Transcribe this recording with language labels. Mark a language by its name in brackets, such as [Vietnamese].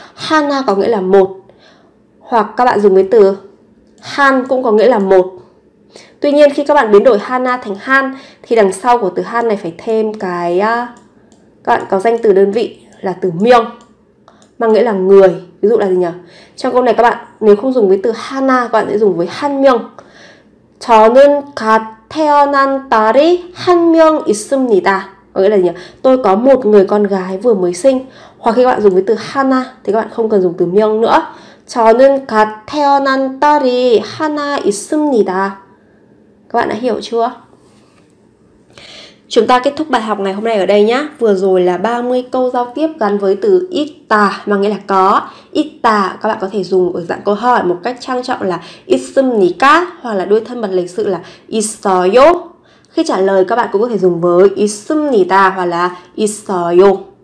[Vietnamese] Hana có nghĩa là một. Hoặc các bạn dùng cái từ Han cũng có nghĩa là một. Tuy nhiên khi các bạn biến đổi Hana thành Han thì đằng sau của từ Han này phải thêm cái, các bạn có danh từ đơn vị là từ Myung mà nghĩa là người. Ví dụ là gì nhỉ? Trong câu này các bạn nếu không dùng với từ Hana, các bạn sẽ dùng với Han Myung. [Korean] 저는 갓 태어난 딸이 한명 있습니다. [Vietnamese] Có nghĩa là gì nhỉ? Tôi có một người con gái vừa mới sinh. Hoặc khi các bạn dùng cái từ hana thì các bạn không cần dùng từ myeong nữa. [Korean] 저는 갓 태어난 딸이 하나 있습니다. [Vietnamese] Các bạn đã hiểu chưa? Chúng ta kết thúc bài học ngày hôm nay ở đây nhé. Vừa rồi là 30 câu giao tiếp gắn với từ 있다 mà nghĩa là có. 있다 các bạn có thể dùng ở dạng câu hỏi một cách trang trọng là 있습니까? Hoặc là đuôi thân bằng lịch sự là 있어요? Khi trả lời các bạn cũng có thể dùng với 있습니다 hoặc là 있어요.